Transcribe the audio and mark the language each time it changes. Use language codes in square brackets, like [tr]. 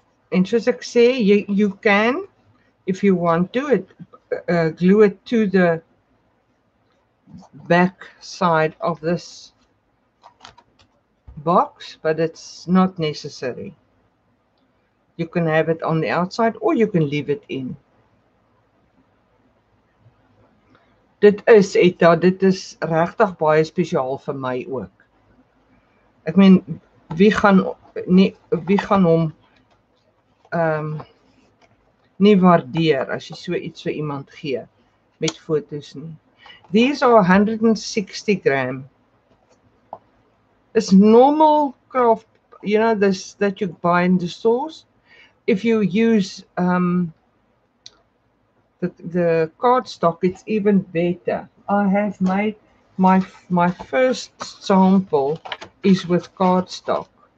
[en] Interesting. Say you can, if you want to, it glue it to the back side of this box, but it's not necessary. You can have it on the outside or you can leave it in. [af] Dit is Etta, dit is regtig baie spesiaal vir my ook. Ek meen, wie gaan hom nie waardeer as jy so iets vir iemand gee met foto's nie. [en] These are 160 gram. It's normal craft, you know, this that you buy in the stores. If you use the cardstock, it's even better. I have made my first sample is with cardstock.